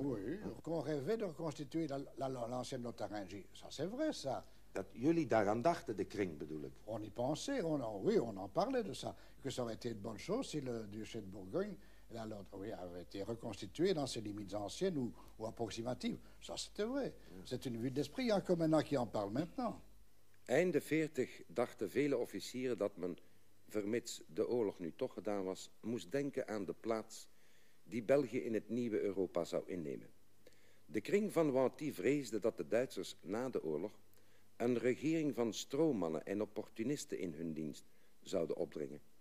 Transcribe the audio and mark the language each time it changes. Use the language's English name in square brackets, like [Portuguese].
[French] Oui, qu'on rêvait de reconstituer l'ancienne Lotharingie. Ça, c'est vrai, ça. [Dutch] Dat jullie daaraan dachten, de kring bedoel ik. [French] On y pensait, on en parlait de ça. Que ça aurait été une bonne chose si le duché de Bourgogne La Londres, oui, avait été reconstituée dans ses limites anciennes ou approximatives. Ça, c'était vrai. C'est une vue d'esprit, hein, comme maintenant qui en parle maintenant. [Dutch] Einde 40 dachten vele officieren dat men, vermits de oorlog nu toch gedaan was, moest denken aan de plaats die België in het nieuwe Europa zou innemen. De kring van Wanty vreesde dat de Duitsers na de oorlog een regering van stroommannen en opportunisten in hun dienst zouden opdringen.